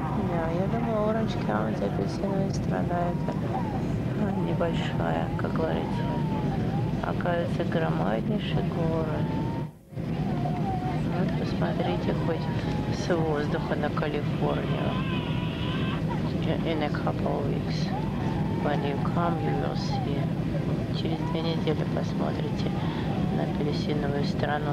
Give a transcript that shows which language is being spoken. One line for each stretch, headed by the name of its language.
Russian: Да, я думаю, Orange County, апельсиновая страна, это небольшая, как говорится. Оказывается, громаднейший город. Вот посмотрите хоть с воздуха на Калифорнию.
English: In a couple of weeks, when you come, you will see.
Russian: Через две недели посмотрите на апельсиновую страну.